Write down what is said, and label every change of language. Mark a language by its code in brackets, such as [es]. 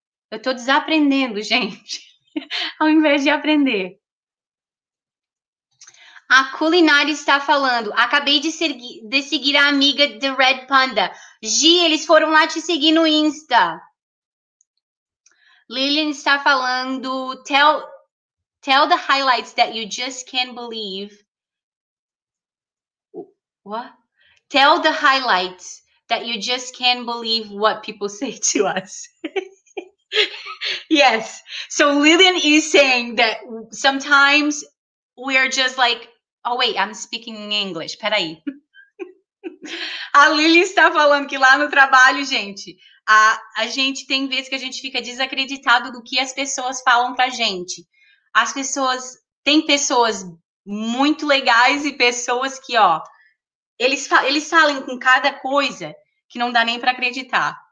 [pt] Eu estou desaprendendo, gente, ao invés de aprender. A culinária está falando, acabei de seguir a amiga The Red Panda. Gi, eles foram lá te seguir no Insta. [en] Lillian [pt] está falando, [en] tell the highlights that you just can't believe. What? Tell the highlights that you just can't believe what people say to us. Yes. So Lillian is saying that sometimes we are just like, oh, wait, I'm speaking in English. [pt] Peraí. A Lili está falando que lá no trabalho, gente, a gente tem vezes que a gente fica desacreditado do que as pessoas falam pra gente. As pessoas, tem pessoas muito legais e pessoas que, ó, eles falam com cada coisa que não dá nem pra acreditar.